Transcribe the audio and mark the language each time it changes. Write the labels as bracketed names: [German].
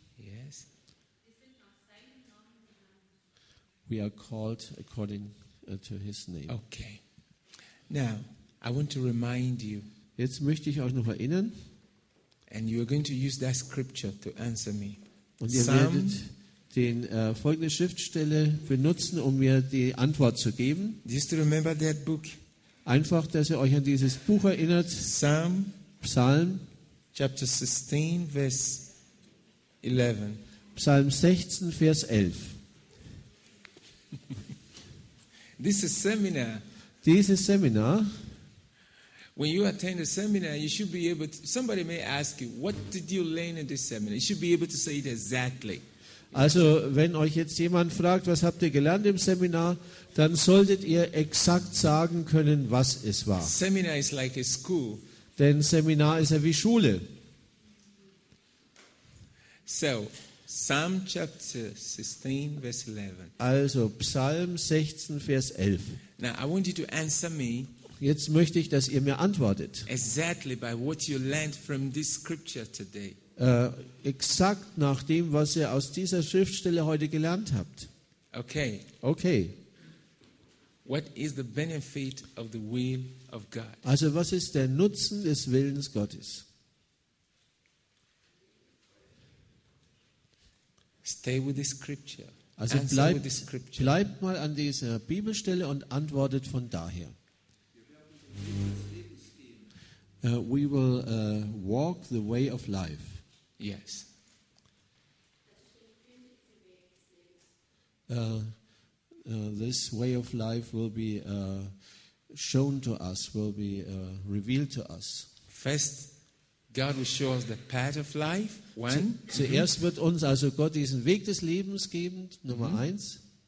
[English] Yes. We are called according to His name. Okay. Now, I want to remind you. [German] Jetzt möchte ich euch noch erinnern. [English] And you are going to use that scripture to answer me. [German] Und ihr werdet den folgende Schriftstelle benutzen, um mir die Antwort zu geben. [English] Just to remember that book. [German] Einfach, dass ihr euch an dieses Buch erinnert. [English] Psalm. [German] Psalm. [English] Chapter 16, verse 11. [German] Psalm 16, Vers 11. [English] This is seminar. This is seminar. When you attend a seminar, you should be able to, somebody may ask you, what did you learn in this seminar? You should be able to say it exactly. [German] Also, wenn euch jetzt jemand fragt, was habt ihr gelernt im Seminar, dann solltet ihr exakt sagen können, was es war. [English] Seminar is like a school. [German] Denn Seminar ist ja wie Schule. [English] So, Psalm chapter 16, verse 11. [German] Also Psalm 16, Vers 11. [English] Now I want you to answer me. [German] Jetzt möchte ich, dass ihr mir antwortet. [English] Exactly by what you learned from this scripture today. [German] Exakt nach dem, was ihr aus dieser Schriftstelle heute gelernt habt. Okay. Okay. [English] What is the benefit of the will of God? [German] Also, was ist der Nutzen des Willens Gottes? [English] Stay with the scripture. [German] Also bleib mal an dieser Bibelstelle und antwortet von daher. [English] We will walk the way of life. Yes. This way of life will be shown to us, will be revealed to us. First, God will show us the path of life. When? [German] Zuerst wird uns also Gott diesen Weg des Lebens geben, Nummer eins.